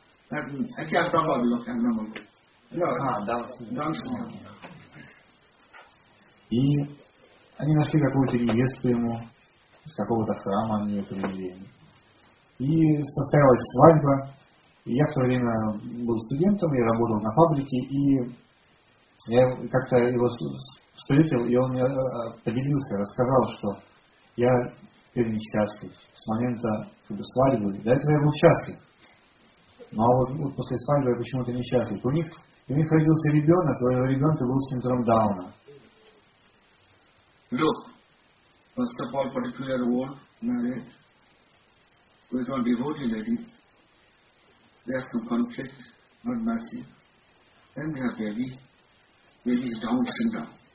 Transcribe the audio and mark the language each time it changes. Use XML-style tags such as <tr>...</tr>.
<en>That means, I can't talk about the abnormal. No, Down syndrome.</en> <ru>И они нашли какую-то невесту ему, с какого-то храма они ее привели. И состоялась свадьба. И я в то время был студентом, я работал на фабрике, и я как-то его встретил, и он мне поделился, рассказал, что я теперь несчастлив с момента свадьбы. До этого я был счастлив. Ну а вот после свадьбы я почему-то несчастлив. У них родился ребенок, у его ребенка был синдром Дауна.</ru> <en>Look, first of all, particular word, marriage, with one devoted lady, they have some conflict, not mercy. Then they have baby, baby is Down syndrome.</en>